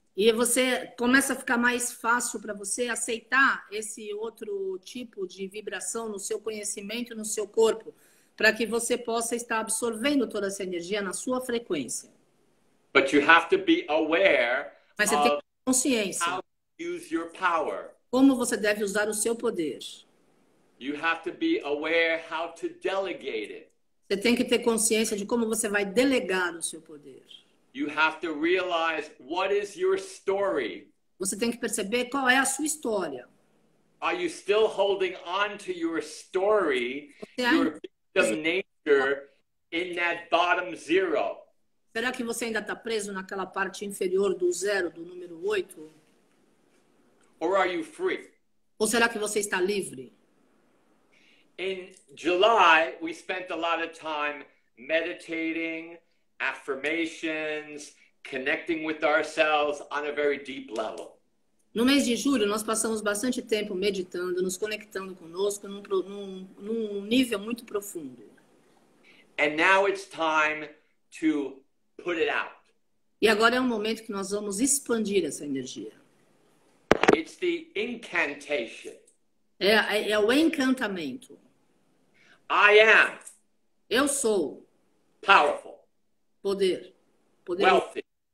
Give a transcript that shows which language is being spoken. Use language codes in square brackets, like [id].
[pt] E você começa a ficar mais fácil para você aceitar esse outro tipo de vibração no seu conhecimento, no seu corpo, para que você possa estar absorvendo toda essa energia na sua frequência. [en] But you have to be aware [pt] Mas você tem [en] of [pt] consciência [en] how you use your power. [pt] como você deve usar o seu poder. [en] You have to be aware how to delegate it. [pt] Você tem que ter consciência de como você vai delegar o seu poder. [en] You have to realize what is your story. [pt] Você tem que perceber qual é a sua história. [en] Are you still holding on to your story, [pt] Você ainda... [en] your victim nature in that bottom zero? [pt] Será que você ainda está preso naquela parte inferior do zero, do número 8? [en] Or are you free? [pt] Ou será que você está livre? [en] In July, we spent a lot of time meditating, affirmations, connecting with ourselves on a very deep level. [pt] No mês de julho, nós passamos bastante tempo meditando, nos conectando conosco num nível muito profundo. [en] And now it's time to put it out. [pt] E agora é o momento que nós vamos expandir essa energia. [en] It's the incantation. [pt] É o encantamento. [en] I am [pt] Eu sou [en] powerful, [pt] poder, poderoso. [en] wealthy,